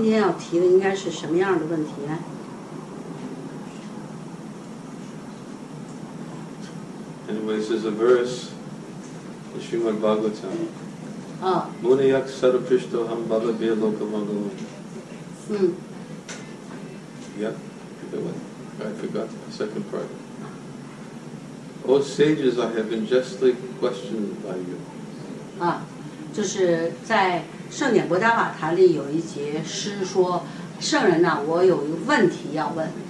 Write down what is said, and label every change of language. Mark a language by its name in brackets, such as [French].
[Chinese] 就是说这个有关的相关的问题，我们今天要提的应该是什么样的问题呢？ [English] Anyway, this is a verse in Srimad Bhagavatam. [Sanskrit] Munayak sarapishto ham bhava bhe loka mangalam. [English] Yeah, I forgot the second part. O sages, I have been justly questioned by you. [Chinese] 就是在圣典伯达瓦塔里有一节诗说，圣人呐，我有一个问题要问。